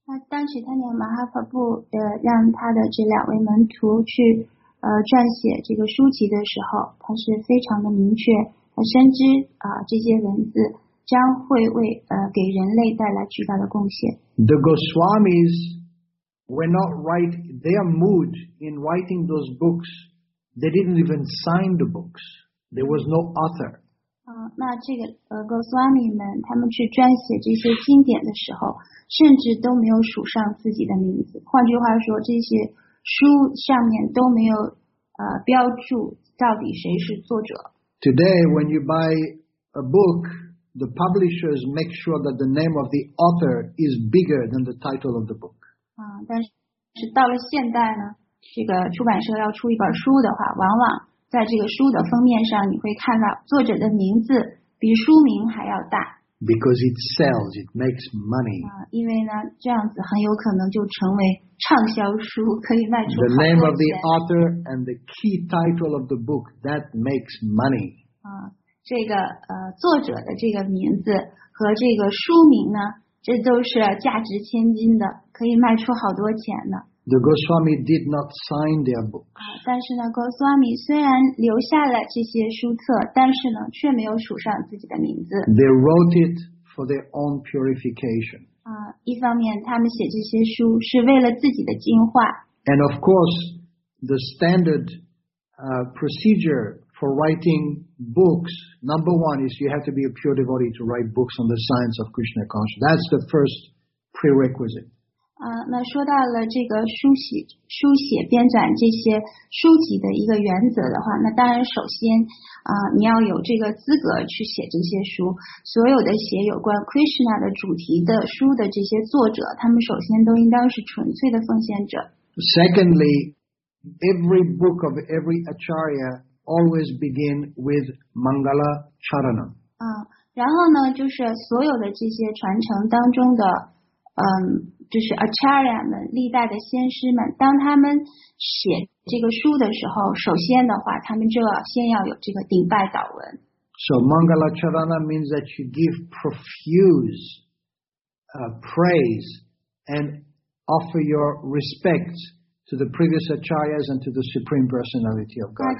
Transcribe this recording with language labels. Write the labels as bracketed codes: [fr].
[zh] 当 Chaitanya Mahaprabhu 让他的这两位门徒去撰写这个书籍的时候，他是非常的明确，他深知这些文字将会为给人类带来巨大的贡献。 [en] The Goswamis. Were not right, their mood in writing those books, they didn't even sign the books. There was no author. [zh] 那这个Goswami 们他们去撰写这些经典的时候，甚至都没有署上自己的名字。换句话说，这些书上面都没有标注到底谁是作者。 [en] Today, when you buy a book, the publishers make sure that the name of the author is bigger than the title of the book. [zh] 但是到了现代呢，这个出版社要出一本书的话，往往在这个书的封面上，你会看到作者的名字比书名还要大。 [en] Because it sells, it makes money. [zh] 因为呢，这样子很有可能就成为畅销书，可以卖出好多钱。 [en] The name of the author and the key title of the book that makes money. [zh] 这个作者的这个名字和这个书名呢，这都是价值千金的。可以卖出好多钱呢。 [en] The Goswami did not sign their books. [zh] 但是呢 ，Goswami 虽然留下了这些书册，但是呢，却没有署上自己的名字。 [en] They wrote it for their own purification. [zh] 一方面，他们写这些书是为了自己的净化。 [en] And of course, the standard procedure for writing books, number one is you have to be a pure devotee to write books on the science of Krishna consciousness. That's the first prerequisite. [zh] 那说到了这个书写编纂这些书籍的一个原则的话，那当然首先你要有这个资格去写这些书。所有的写有关 Krishna 的主题的书的这些作者，他们首先都应当是纯粹的奉献者。 [en] Secondly, every book of every acharya always begin with Mangala Charanam. [zh] 然后呢，就是所有的这些传承当中的就是 Acharya 们历代的先师们，当他们写这个书的时候，首先的话，他们就要先要有这个顶拜祷文。 [en] So Mangala Charana means that you give profuse praise and offer your respects to the previous Acharyas and to the Supreme Personality of God.